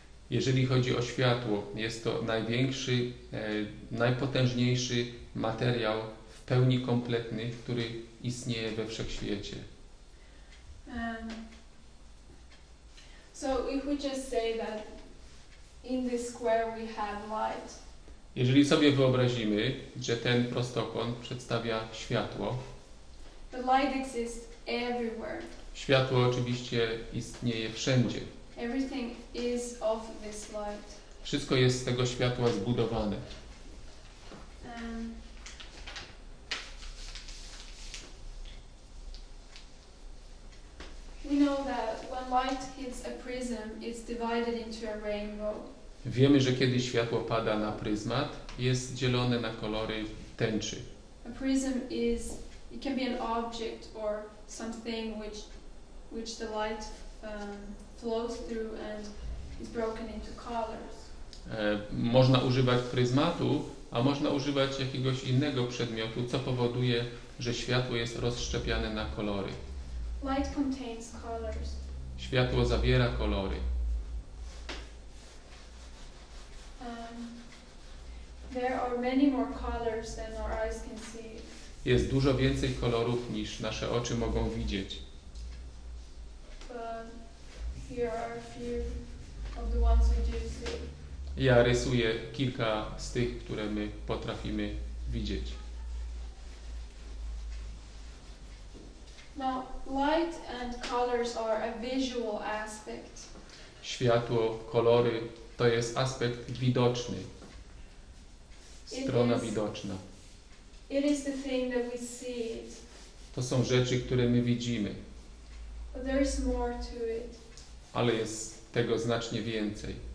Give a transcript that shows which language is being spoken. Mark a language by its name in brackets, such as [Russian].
[Polish] Jeżeli chodzi o światło, jest to największy, najpotężniejszy materiał w pełni kompletny, który istnieje we wszechświecie. [English] So if we just say that in this square we have light. [Polish] Jeżeli sobie wyobrazimy, że ten prostokąt przedstawia światło. [English] The light exists everywhere. [Polish] Światło oczywiście istnieje wszędzie. [English] Everything is of this light. [Polish] Wszystko jest z tego światła zbudowane. [English] We know that when light hits a prism, it's divided into a rainbow. [Polish] Wiemy, że kiedy światło pada na pryzmat, jest dzielone na kolory tęczy. [English] A prism is, it can be an object or something which the light flows through and is broken into colors. [Polish] Można używać pryzmatu, a można używać jakiegoś innego przedmiotu, co powoduje, że światło jest rozszczepiane na kolory. [English] Light contains colors. [Polish] Światło zawiera kolory. [English] There are many more colors than our eyes can see. [Polish] Jest dużo więcej kolorów niż nasze oczy mogą widzieć. [English] Here are a few of the ones we do see. [Polish] Ja rysuję kilka z tych, które my potrafimy widzieć. [English] Now, light and colors are a visual aspect. [Polish] Światło, kolory to jest aspekt widoczny. Strona widoczna. [English] It is the thing that we see. [Polish] To są rzeczy, które my widzimy. [English] But there is more to it. [Polish] Ale jest tego znacznie więcej.